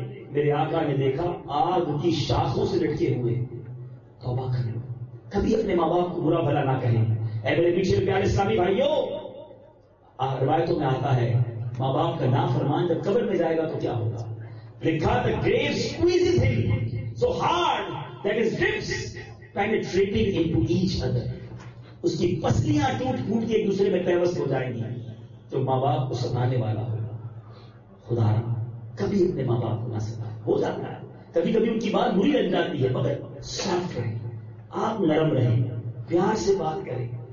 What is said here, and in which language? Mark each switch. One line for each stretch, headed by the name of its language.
Urdu: میرے آقا نے دیکھا آگ کی شاخوں سے لٹکے ہوئے. توبہ کریں, کبھی اپنے ماں باپ کو برا بھلا نہ کہیں. اے میرے پیچھے پیارے اسلامی بھائیو, روایتوں میں آتا ہے ماں باپ کا نافرمان جب قبر میں جائے گا تو کیا ہوگا.
English: لکھا, the grave squeezes him so hard that his ribs penetrating into each other.
Urdu: اس کی پسلیاں ٹوٹ پھوٹ کے ایک دوسرے میں پیوست ہو جائیں گی. تو ماں باپ کو ستانے والا ہوگا. خدا را, کبھی اپنے ماں باپ کو نہ ستا. ہو جاتا ہے کبھی کبھی ان کی بات بری لگ جاتی ہے, مگر سافٹ رہیں, آپ نرم رہیں, پیار سے بات کریں.